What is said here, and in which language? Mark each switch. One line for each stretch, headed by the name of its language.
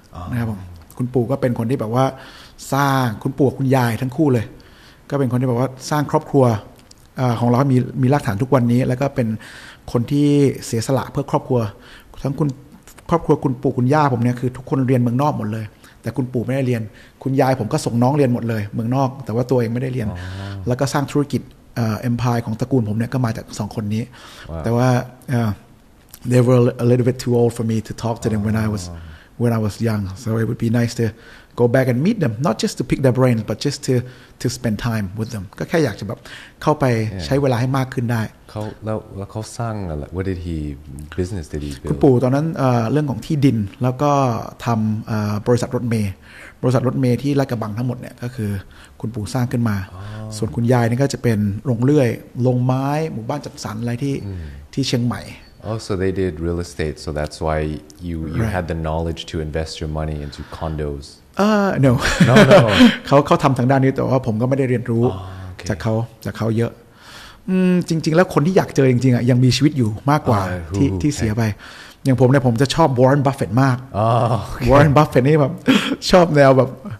Thai: นะครับผมคุณปู่ก็เป็นคนที่แบบว่าสร้างคุณปู่คุณยายทั้งคู่เลยก็เป็นคนที่แบบว่าสร้างครอบครัวของเรามีรากฐานทุกวันนี้แล้วก็เป็นคนที่เสียสละเพื่อครอบครัวทั้งคุณครอบครัวคุณปู่คุณย่าผมเนี่ยคือทุกคนเรียนเมืองนอกหมดเลยแต่คุณปู่ไม่ได้เรียนคุณยายผมก็ส่งน้องเรียนหมดเลยเมืองนอกแต่ว่าตัวเองไม่ได้เรียน
English: oh.
Thai: แล้วก็สร้างธุรกิจเอ็มพายของตระกูลผมเนี่ยก็มาจากสองคนนี้
English: wow.
Thai: แต่ว่า
English: they were a little bit too old for me to talk to them when I was young so it would be nice to go back and meet them not just to pick their brain but just to spend time with them
Thai: ก็แค่อยากจะแบบเข้าไป
English: yeah.
Thai: ใช้เวลาให้มากขึ้นได้ เขาแล้วเขาสร้างอะไร
English: what did he business did he build
Thai: คุณปู่ตอนนั้นเรื่องของที่ดินแล้วก็ทำบริษัทรถเมย์บริษัทรถเมย์ที่ลาดกระบังทั้งหมดเนี่ยก็คือคุณปู่สร้างขึ้นมา
English: oh.
Thai: ส่วนคุณยายนี่ก็จะเป็นโรงเลื่อยโรงไม้หมู่บ้านจัดสรรอะไรที่ ที่เชียงใหม่
English: oh so they did real estate so that's why you right. had the knowledge to invest your money into condos no no
Thai: เขาทำทางด้านนี้แต่ว่าผมก็ไม่ได้เรียนรู้
English: oh, okay.
Thai: จากเขาเยอะจริงๆแล้วคนที่อยากเจอจริงๆอ่ะยังมีชีวิตอยู่มากกว่า ที่เสียไปอย่างผมเนี่ยผมจะชอบวอร์เรนบัฟเฟตต์มากวอร์เรนบัฟเฟตต์นี่แบบชอบแนวแบบ